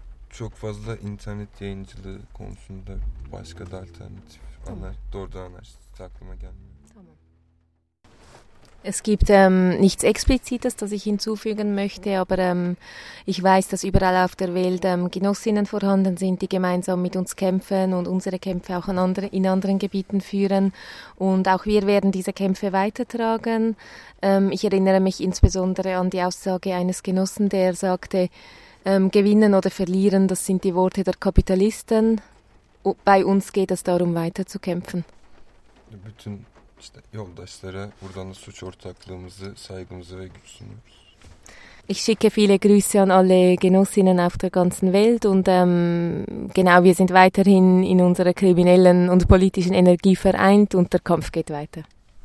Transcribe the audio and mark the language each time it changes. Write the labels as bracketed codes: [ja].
[tr] Çok fazla internet yayıncılığı konusunda başka da alternatif doğrudan anarşist aklıma gelmiyor. Tamam. [de] Es gibt nichts Explizites, das ich hinzufügen möchte, aber ich weiß, dass überall auf der Welt Genossinnen vorhanden sind, die gemeinsam mit uns kämpfen und unsere Kämpfe auch in anderen Gebieten führen. Und auch wir werden diese Kämpfe weitertragen. Ich erinnere mich insbesondere an die Aussage eines Genossen, der sagte, gewinnen oder verlieren, das sind die Worte der Kapitalisten. Bei uns geht es darum, weiterzukämpfen. [tr] Bütün işte yoldaşlara buradan da suç ortaklığımızı, saygımızı ve güç sunuyoruz. [de] Ich schicke viele Grüße an alle Genossinnen auf der ganzen Welt und genau, wir sind weiterhin in unserer kriminellen und politischen Energie vereint und der Kampf geht weiter.